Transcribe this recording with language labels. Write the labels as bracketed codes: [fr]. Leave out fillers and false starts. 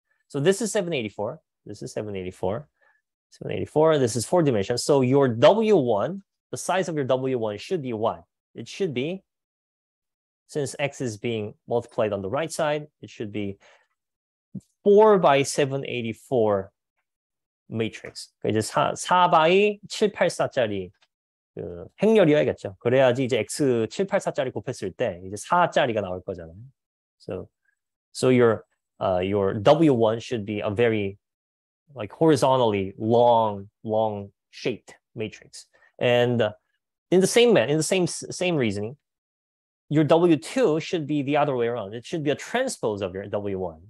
[en] So this is 784, this is 784, 784, this is four dimensions. So your W1, the size of your W1 should be what? It should be, since X is being multiplied on the right side, it should be 4 by 784 matrix. [ko] 이제 4x784짜리 그 행렬이어야겠죠. 그래야지 이제 x784짜리 곱했을 때 이제 4짜리가 나올 거잖아요. [en] So your W1 should be a very like horizontally long shaped matrix. And in the same reasoning, your W2 should be the other way around. It should be a transpose of your W1.